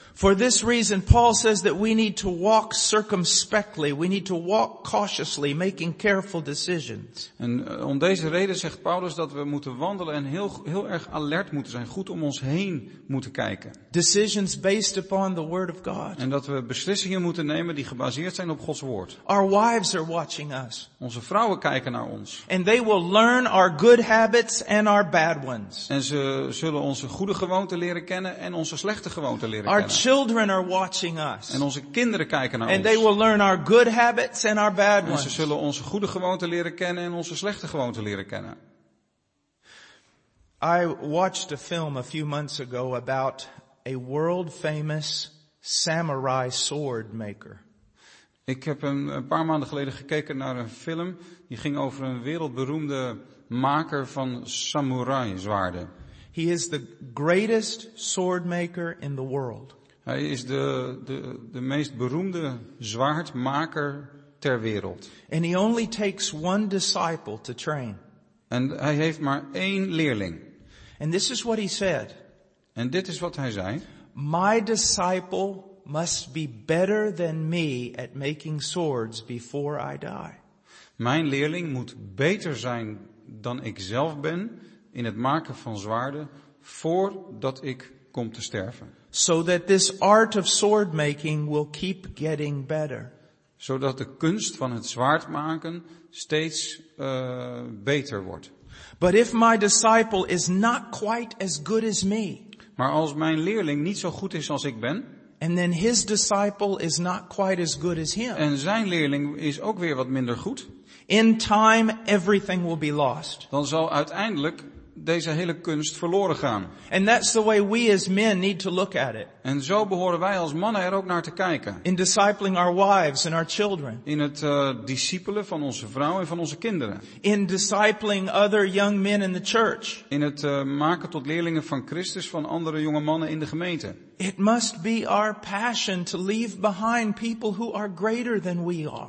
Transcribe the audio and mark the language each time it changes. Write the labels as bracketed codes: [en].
[en] For this reason Paul says that we need to walk circumspectly, we need to walk cautiously, making careful decisions. [nl] En om deze reden zegt Paulus dat we moeten wandelen en heel erg alert moeten zijn, goed om ons heen moeten kijken. [en] Decisions based upon the word of God. [nl] En dat we beslissingen moeten nemen die gebaseerd zijn op Gods woord. [en] Our wives are watching us. [nl] Onze vrouwen kijken naar ons. [en] And they will learn our good habits and our bad ones. [nl] En ze zullen onze goede gewoonten leren kennen en onze slechte gewoonten leren [en] our [nl] kennen. [en] Children are watching us. [nl] En onze kinderen kijken naar [en] and [nl] ons. [en] They will learn our good habits and our bad ones. [nl] En ze zullen onze goede gewoonten leren kennen en onze slechte gewoonten leren kennen. [en] I watched a film a few months ago about a world famous samurai sword maker. [nl] Ik heb een paar maanden geleden gekeken naar een film die ging over een wereldberoemde maker van samurai zwaarden. [en] He is the greatest sword maker in the world. [nl] Hij is de meest beroemde zwaardmaker ter wereld. [en] And he only takes one disciple to train. [nl] En hij heeft maar één leerling. [en] And this is what he said. [nl] En dit is wat hij zei. [en] My disciple must be better than me at making swords before I die. [nl] Mijn leerling moet beter zijn dan ik zelf ben in het maken van zwaarden voordat ik kom te sterven. [en] So that this art of sword making will keep getting better. [nl] Zodat de kunst van het zwaard maken steeds beter wordt. [en] But if my disciple is not quite as good as me. [nl] Maar als mijn leerling niet zo goed is als ik ben. [en] And then his disciple is not quite as good as him. [nl] En zijn leerling is ook weer wat minder goed. [en] In time everything will be lost. [nl] Dan zal uiteindelijk deze hele kunst verloren gaan. [en] And that's the way we as men need to look at it. [nl] En zo behoren wij als mannen er ook naar te kijken. [en] In discipling our wives and our children. [nl] In het discipelen van onze vrouw en van onze kinderen. [en] In discipling other young men in the church. [nl] In het maken tot leerlingen van Christus van andere jonge mannen in de gemeente. [en] It must be our passion to leave behind people who are greater than we are.